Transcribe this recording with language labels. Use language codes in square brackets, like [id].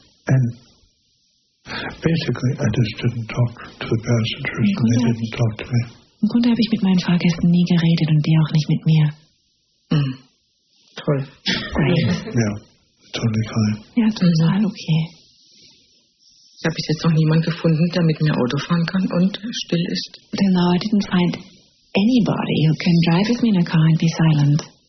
[en] And basically, I just didn't talk to the passengers and they didn't talk to me. [de] Im Grunde habe ich mit meinen Fahrgästen nie geredet und die auch nicht mit mir. Toll. Ja, total okay. Ich habe bis jetzt noch niemanden gefunden, der mit mir Auto fahren kann und still ist. [en] Then now I didn't find anybody who can drive with me in a car and be silent.